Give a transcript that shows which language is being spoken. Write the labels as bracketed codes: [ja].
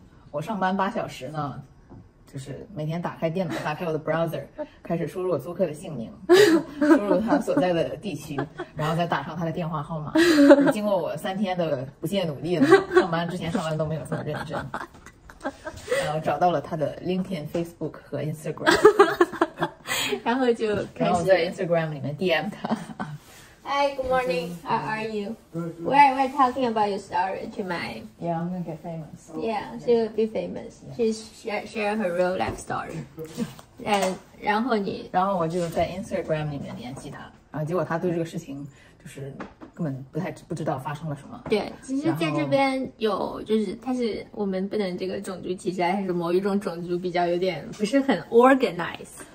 [zh] 我上班8小时呢，就是每天打开电脑，打开我的 browser， 开始输入我租客的姓名，输入他所在的地区，然后再打上他的电话号码。经过我3天的不懈努力呢，上班之前上班都没有这么认真，然后找到了他的 LinkedIn、Facebook 和 Instagram，然后就开始，然后在 Instagram 里面 DM 他。 [en] Hi, good morning. How are you? We're talking about your story to my... Yeah, I'm gonna get famous. Yeah, she will be famous. She's share her real life story. [zh] 然后我就在 Instagram 里面联系他，然后结果他对这个事情就是根本不太不知道发生了什么。对，其实在这边有，就是他是我们不能这个种族歧视，还是某一种种族比较有点不是很 organize。